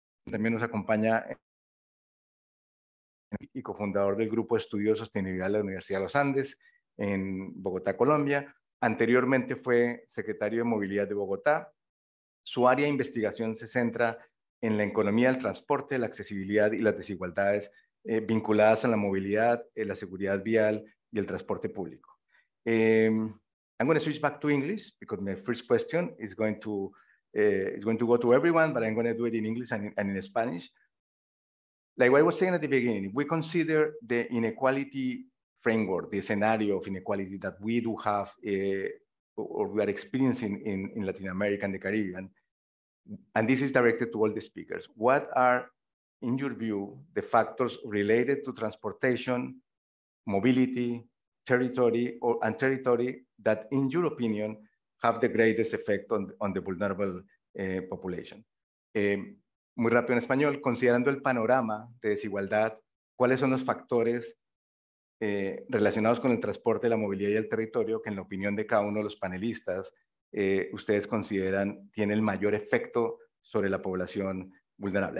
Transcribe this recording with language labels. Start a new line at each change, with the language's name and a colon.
Spanish: También nos acompaña y cofundador del Grupo de Estudios de Sostenibilidad de la Universidad de los Andes en Bogotá, Colombia. Anteriormente fue secretario de Movilidad de Bogotá. Su área de investigación se centra en la economía del transporte, la accesibilidad y las desigualdades vinculadas a la movilidad, la seguridad vial y el transporte público.
English: I'm going to switch back to English because my first question is going to go to everyone, but I'm going to do it in English and in Spanish. Like what I was saying at the beginning, if we consider the inequality framework, the scenario of inequality that we do have or we are experiencing in Latin America and the Caribbean, and this is directed to all the speakers, what are, in your view, the factors related to transportation, mobility, territory that, in your opinion, have the greatest effect on the vulnerable population?
Spanish: Muy rápido en español, considerando el panorama de desigualdad, ¿cuáles son los factores relacionados con el transporte, la movilidad y el territorio que, en la opinión de cada uno de los panelistas, ustedes consideran tiene el mayor efecto sobre la población vulnerable?